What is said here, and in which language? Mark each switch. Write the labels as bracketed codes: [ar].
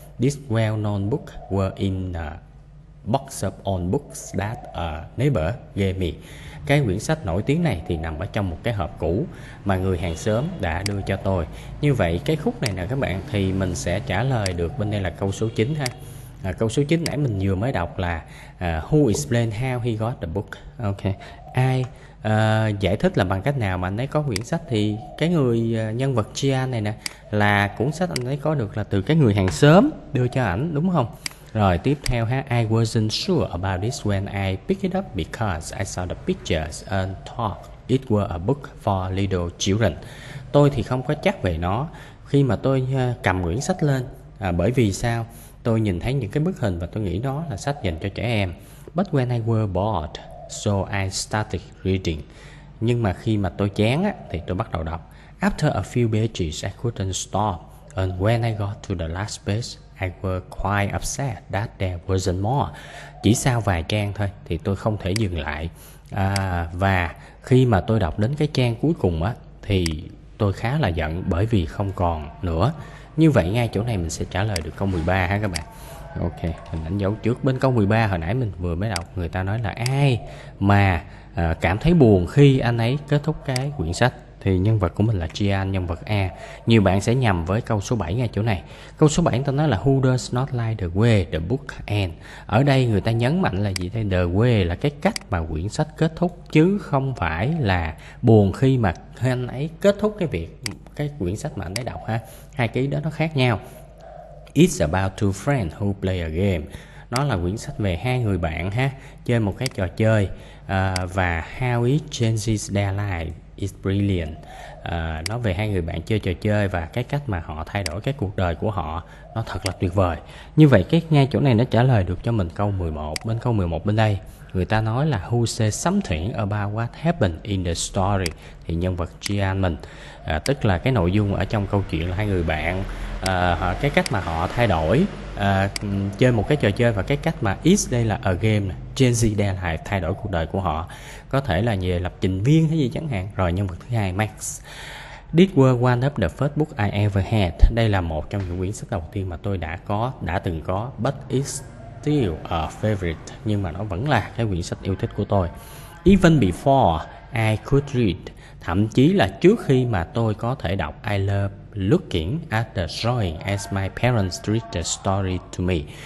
[en] This well-known book were in the box of all books that a neighbor gave me. [vi] Cái quyển sách nổi tiếng này thì nằm ở trong một cái hộp cũ mà người hàng xóm đã đưa cho tôi. Như vậy cái khúc này nè các bạn, thì mình sẽ trả lời được bên đây là câu số 9 ha. Câu số 9 nãy mình vừa mới đọc là [en] who explained how he got the book. [vi] Ok. Ai giải thích là bằng cách nào mà anh ấy có quyển sách, thì cái người nhân vật Gian này nè là cuốn sách anh ấy có được là từ cái người hàng xóm đưa cho ảnh, đúng không? Rồi tiếp theo ha, [en] I wasn't sure about this when I picked it up because I saw the pictures and thought it was a book for little children. [vi] Tôi thì không có chắc về nó khi mà tôi cầm quyển sách lên, bởi vì sao? Tôi nhìn thấy những cái bức hình và tôi nghĩ đó là sách dành cho trẻ em. [en] But when I was bored, so I started reading. [vi] Nhưng mà khi mà tôi chán á, thì tôi bắt đầu đọc. [en] After a few pages, I couldn't stop. And when I got to the last page, I was quite upset that there wasn't more. [vi] Chỉ sau vài trang thôi thì tôi không thể dừng lại. Và khi mà tôi đọc đến cái trang cuối cùng á, thì tôi khá là giận bởi vì không còn nữa. Như vậy ngay chỗ này mình sẽ trả lời được câu 13 ha các bạn. Ok, mình đánh dấu trước. Bên câu 13 hồi nãy mình vừa mới đọc, người ta nói là ai mà cảm thấy buồn khi anh ấy kết thúc cái quyển sách, thì nhân vật của mình là Gian, nhân vật A. Nhiều bạn sẽ nhầm với câu số 7 ngay chỗ này. Câu số 7 người ta nói là [en] who does not like the way the book ends. [vi] Ở đây người ta nhấn mạnh là gì? [en] The way [vi] là cái cách mà quyển sách kết thúc, chứ không phải là buồn khi mà anh ấy kết thúc cái việc cái quyển sách mà anh ấy đọc ha. Hai cái đó nó khác nhau. [en] It's about two friends who play a game. [vi] Nó là quyển sách về hai người bạn ha, chơi một cái trò chơi. [en] Và how it changes their life is brilliant. [vi] Nó về hai người bạn chơi trò chơi và cái cách mà họ thay đổi cái cuộc đời của họ, nó thật là tuyệt vời. Như vậy cái ngay chỗ này nó trả lời được cho mình câu 11. Bên câu 11 bên đây, người ta nói là [en] who says something about what happened in the story, [vi] thì nhân vật Gian mình, tức là cái nội dung ở trong câu chuyện là hai người bạn, cái cách mà họ thay đổi chơi một cái trò chơi và cái cách mà is đây là [en] a game, change their life, [vi] thay đổi cuộc đời của họ, có thể là về lập trình viên hay gì chẳng hạn. Rồi nhân vật thứ hai, Max. [en] This was one of the first book I ever had. [vi] Đây là một trong những quyển sách đầu tiên mà tôi đã từng có. [en] But it's still a favorite. [vi] Nhưng mà nó vẫn là cái quyển sách yêu thích của tôi. [en] Even before I could read, [vi] thậm chí là trước khi mà tôi có thể đọc, [en] I love looking at the drawing as my parents read the story to me.